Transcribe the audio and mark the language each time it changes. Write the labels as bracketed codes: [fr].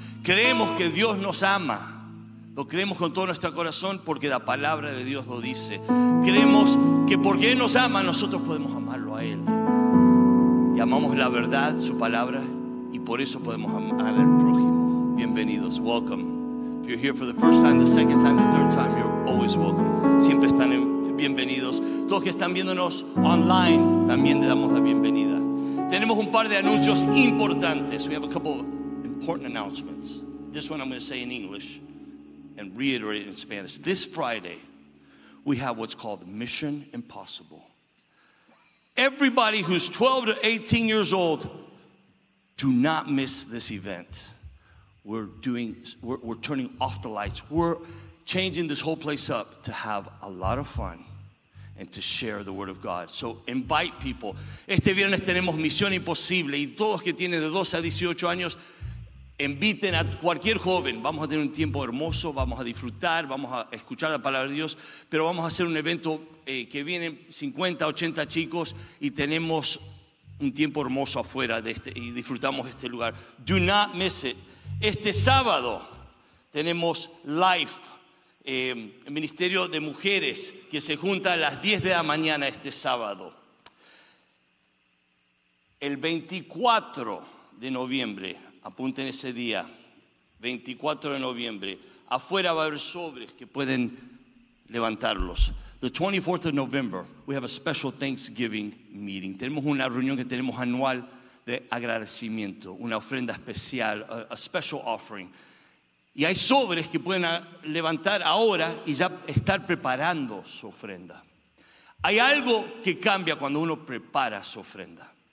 [es] Creemos que Dios nos ama. Lo creemos con todo nuestro corazón porque la palabra de Dios lo dice. Creemos que porque Él nos ama, nosotros podemos amarlo a Él. Y amamos la verdad, su palabra, y por eso podemos amar al prójimo. Bienvenidos, welcome. [en] If you're here for the first time, the second time, the third time, you're always welcome. [es] Siempre están bienvenidos. Todos que están viéndonos online, también le damos la bienvenida. Tenemos un par de anuncios importantes. [en] We have a couple of important announcements. This one I'm going to say in English and reiterate in Spanish. This Friday, we have what's called Mission Impossible. Everybody who's 12 to 18 years old, do not miss this event. We're turning off the lights. We're changing this whole place up to have a lot of fun and to share the word of God. So invite people. [es] Este viernes tenemos Misión Imposible y todos que tienen de 12 a 18 años, inviten a cualquier joven. Vamos a tener un tiempo hermoso, vamos a disfrutar, vamos a escuchar la palabra de Dios, pero vamos a hacer un evento que vienen 50, 80 chicos y tenemos un tiempo hermoso afuera de este, y disfrutamos este lugar. [en] Do not miss it. [es] Este sábado tenemos Life, el Ministerio de Mujeres, que se junta a las 10 de la mañana este sábado. El 24 de noviembre, apunten ese día, 24 de noviembre, afuera va a haber sobres que pueden levantarlos. The 24th of November, we have a special Thanksgiving meeting. Tenemos una reunión que tenemos anual de agradecimiento, una ofrenda especial, [en] a special offering. [es] Y hay sobres que pueden levantar ahora y ya estar preparando su ofrenda. Hay algo que cambia cuando uno prepara su ofrenda.